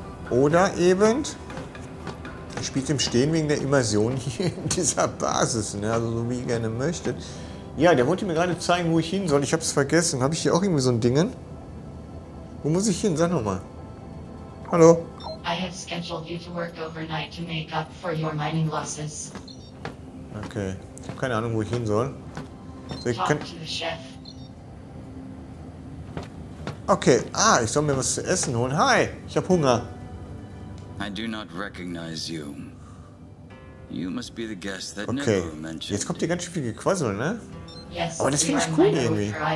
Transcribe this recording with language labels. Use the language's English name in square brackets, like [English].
[German] Oder eben ich spiele es im Stehen wegen der Immersion hier in dieser Basis. Ne? Also so wie ihr gerne möchtet. Ja, der wollte mir gerade zeigen, wo ich hin soll. Ich habe es vergessen. Habe ich hier auch irgendwie so ein Ding? Wo muss ich hin? Sag nochmal. Hallo? [English] I have scheduled you to work overnight to make up for your mining losses. Okay. [German] Ich habe keine Ahnung, wo ich hin soll. So, ich kann... [English] Talk to the chef. Okay. [German] Ah, ich soll mir was zu essen holen. Hi, ich habe Hunger. [English] I do not recognize you. You must be the guest that never mentioned. [German] Okay. Jetzt kommt hier ganz schön viel Gequassel, ne? [English] Yes. [German] Aber das finde ich cool irgendwie.